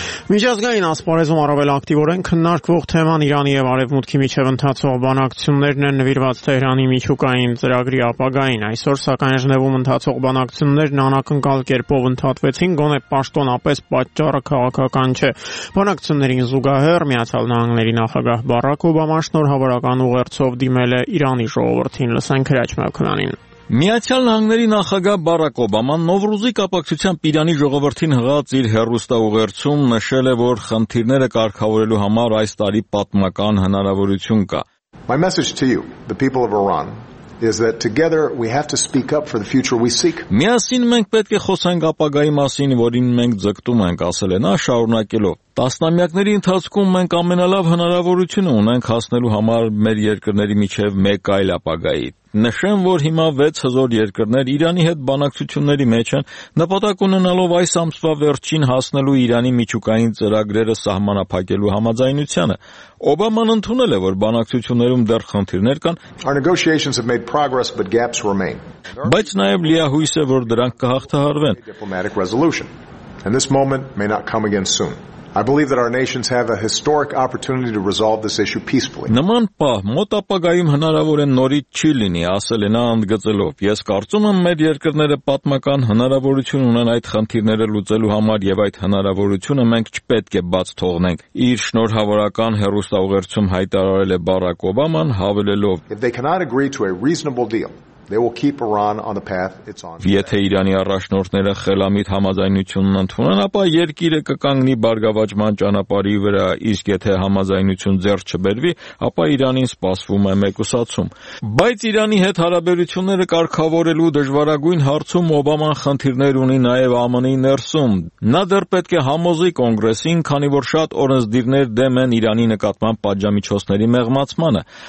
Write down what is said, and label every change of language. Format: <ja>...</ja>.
<hy>Միջազգային ասպարեզում առավել ակտիվորեն քննարկվող թեման Իրանի եւ Արևմուտքի միջև ընթացող բանակցություններն են նվիրված Թեհրանի միջուկային ծրագրի ապագային։ Այսօր, սակայն, Ժնևում ընթացող բանակցություններն անակնկալ կերպով ընթացվեցին, գոնե պաշտոնապես պատճառը քաղաքական չէ։ Բանակցություններին զուգահեռ Միացյալ Նահանգների նախագահ Բարակ Օբաման շնորհավորական ուղերձով դիմել է Իրանի ժողովրդին, լսենք Հրաչ Մաքունյանին։ Միացյալ Նահանգների նախագահ Բարակ Օբաման Նովրուզի կապակցությամբ Իրանի ժողովրդին հղած իր հեռուստաուղերձում նշել է, որ խնդիրները կարգավորելու համար այս տարի պատմական հնարավորություն կա։</hy> <en>My message to you, the people of Iran, is that together we have to speak up for the future we seek.</en> <hy>Միասին մենք պետք է խոսենք ապագայի մասին, որին մենք ձգտում ենք, ասել է նա շարունակելով. Տասնամյակների ընթացքում մենք ամենալավ հնարավորությունը ունենք հասնելու համար մեր երկրների միջև մեկ այլ ապագայի։ Նշեմ, որ հիմա 6000 երկրներ Իրանի հետ բանակցությունների մեջ են, նպատակ ունենալով այս ամսվա վերջին հասնելու Իրանի միջուկային ծրագրերը սահմանափակելու համաձայնությանը։ Օբաման ընդունել է, որ բանակցություններում դեռ խնդիրներ կան, բայց նաև լիա հույս է, որ դրանք կհաղթահարվեն։</hy> <en>I believe that our nations have a historic opportunity to resolve this issue peacefully.</en> <hy>Նման պա մոտ ապագայում հնարավոր է նորից չի լինի, ասել է նա ընդգծելով. Ես կարծում եմ, մեր երկրները պատմական հնարավորություն ունեն այդ խնդիրները լուծելու համար, եւ այդ հնարավորությունը մենք չպետք է բաց թողնենք։ Իր շնորհավորական հեռուստաուղերձում հայտարարել է Բարակ Օբաման, հավելելով.</hy> <en>If they cannot agree to a reasonable deal, they will keep Iran on the path it's on.</en> <hy>Եթե Իրանի առաջնորդները խելամիտ համաձայնությունն ընդունեն, ապա երկիրը կկանգնի բարգավաճման ճանապարհի վրա, իսկ եթե համաձայնություն ձեռք չբերվի, ապա Իրանին սպասվում է մեկուսացում։ Բայց Իրանի հետ հարաբերությունները կարգավորելու դժվարագույն հարցում Օբաման խնդիրներ ունի նաև ԱՄՆ-ի ներսում։ Նա դեռ պետք է համոզի Կոնգրեսին, քանի որ շատ օրենսդիրներ դեմ են Իրանի նկատմամբ պատժամիջոցների մեղմացմանը։</hy>